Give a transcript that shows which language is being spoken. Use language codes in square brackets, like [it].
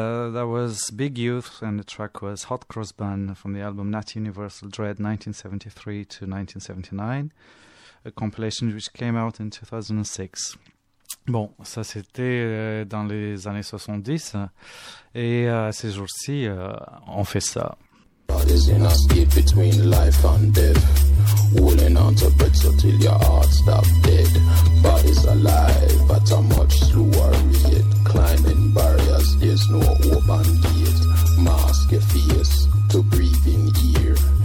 [en] That was Big Youth, and the track was Hot Cross Bun from the album Nat Universal Dread 1973 to 1979, a compilation which came out in 2006. [fr] Bon, ça c'était dans les années 70, et ces jours-ci, on fait ça. [en] Bodies in a skid between life and death. Wooling on to bed so till your heart stop dead. Bodies alive at a much slower rate. Climbing barriers, there's no open gate. Mask your face to breathe in ear.